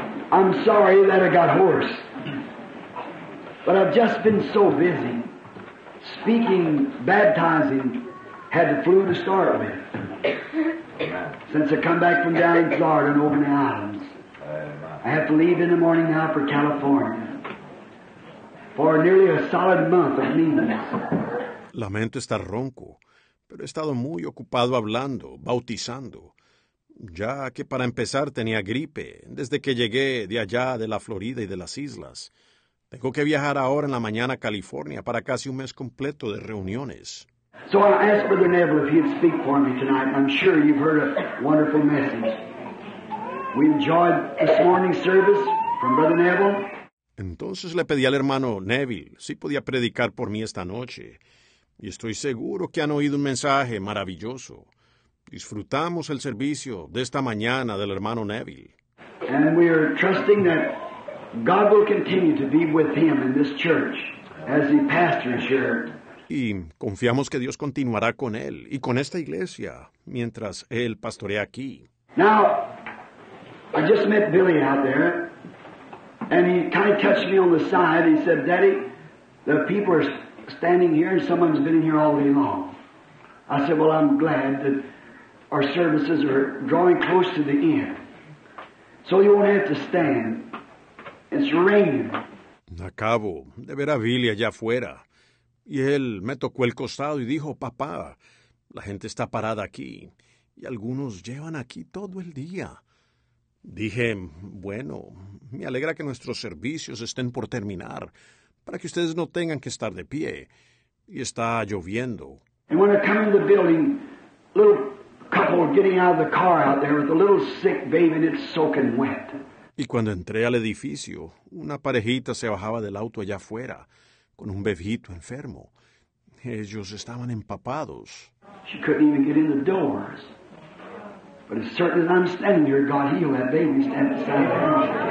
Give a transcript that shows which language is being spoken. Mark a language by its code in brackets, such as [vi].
[en] I'm sorry that I got hoarse, but I've just been so busy speaking, baptizing, had the flu to start with, since I come back from down in Florida and over in the islands. I have to leave in the morning now for California for nearly a solid month of meetings. [es] Lamento estar ronco, pero he estado muy ocupado hablando, bautizando. Ya que para empezar tenía gripe desde que llegué de allá de la Florida y de las islas. Tengo que viajar ahora en la mañana a California para casi un mes completo de reuniones. [en] So I asked Brother Neville if he'd speak for me tonight. I'm sure you've heard a wonderful message. We enjoyed this morning's service from Brother Neville. [es] Entonces le pedí al hermano Neville si podía predicar por mí esta noche. Y estoy seguro que han oído un mensaje maravilloso. Disfrutamos el servicio de esta mañana del hermano Neville. [en] And we are trusting that God will continue to be with him in this church as he pastors here. [es] Y confiamos que Dios continuará con él y con esta iglesia mientras él pastorea aquí. [en] Now, I just met Billy out there, and he kind of touched me on the side. He said, Daddy, the people are standing here and someone's been in here all day long. I said, well, I'm glad that our services are drawing close to the end, so you won't have to stand. It's raining. [es] Acabo de ver a Billy allá afuera, y él me tocó el costado y dijo, papá, la gente está parada aquí, y algunos llevan aquí todo el día. Dije, bueno, me alegra que nuestros servicios estén por terminar, para que ustedes no tengan que estar de pie, y está lloviendo. [en] And when I come in the building, little couple getting out of the car out there with a little sick baby and it's soaking wet. [es] Y cuando entré al edificio, una parejita se bajaba del auto allá afuera con un bebito enfermo. Ellos estaban empapados. [en] She couldn't even get in the doors. But as certain as I'm standing here, God healed that baby standing beside her.